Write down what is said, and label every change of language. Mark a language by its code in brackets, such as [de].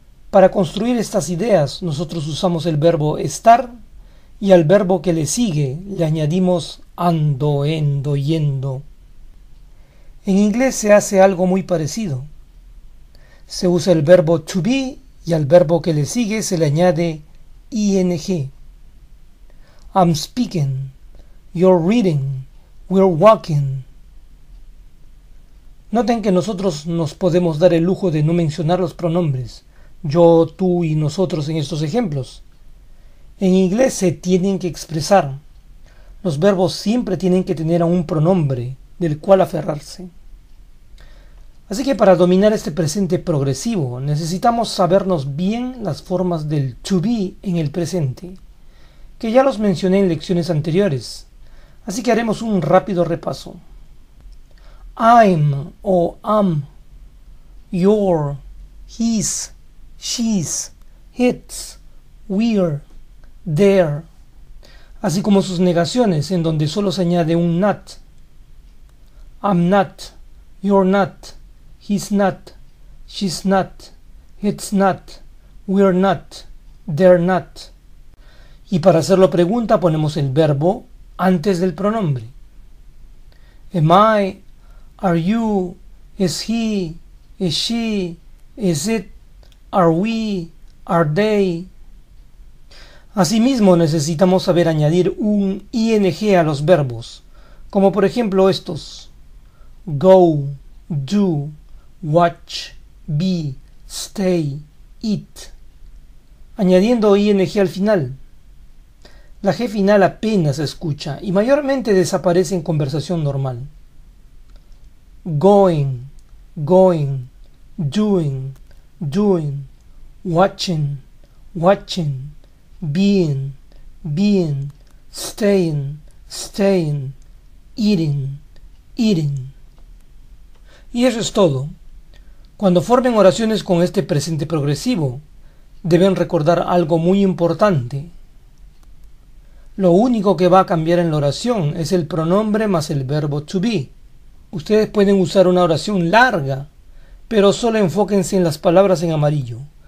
[es] Para construir estas ideas, nosotros usamos el verbo estar y al verbo que le sigue le añadimos ando, endo, yendo. En inglés se hace algo muy parecido. Se usa el verbo to be y al verbo que le sigue se le añade ing. [en] I'm speaking, you're reading, we're walking. [es] Noten que nosotros nos podemos dar el lujo de no mencionar los pronombres, yo, tú y nosotros en estos ejemplos. En inglés se tienen que expresar. Los verbos siempre tienen que tener un pronombre del cual aferrarse. Así que para dominar este presente progresivo, necesitamos sabernos bien las formas del to be en el presente, que ya los mencioné en lecciones anteriores. Así que haremos un rápido repaso. [en] I'm o am, you're, he's, she's, it's, we're, there. [es] Así como sus negaciones, en donde solo se añade un not. [en] I'm not, you're not, he's not, she's not, it's not, we're not, they're not. [es] Y para hacerlo pregunta ponemos el verbo antes del pronombre. [en] Am I, are you, is he, is she, is it, are we, are they. [es] Asimismo necesitamos saber añadir un ing a los verbos, como por ejemplo estos: go, do, watch, be, stay, eat, añadiendo ing al final. La G final apenas se escucha y mayormente desaparece en conversación normal. [en] Going, going, doing, doing, watching, watching, being, being, staying, staying, eating, eating. [es] Y eso es todo. Cuando formen oraciones con este presente progresivo, deben recordar algo muy importante. Lo único que va a cambiar en la oración es el pronombre más el verbo to be. Ustedes pueden usar una oración larga, pero solo enfóquense en las palabras en amarillo.